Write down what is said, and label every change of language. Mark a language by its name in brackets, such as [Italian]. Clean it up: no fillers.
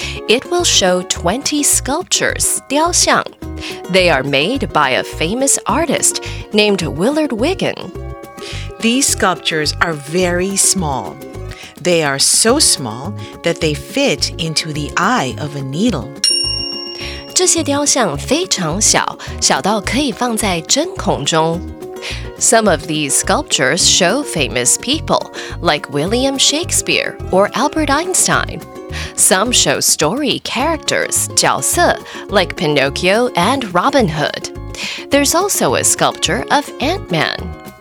[English] It will show 20 sculptures, 雕像.They are made by a famous artist named Willard Wigan. These sculptures are very small. They are so small that they fit into the eye of a needle. [Chinese] 这些雕像非常小，小到可以放在针孔中。 [English] Some of these sculptures show famous people, like William Shakespeare or Albert Einstein. Some show story characters, 角色, like Pinocchio and Robin Hood. There's also a sculpture of Ant-Man.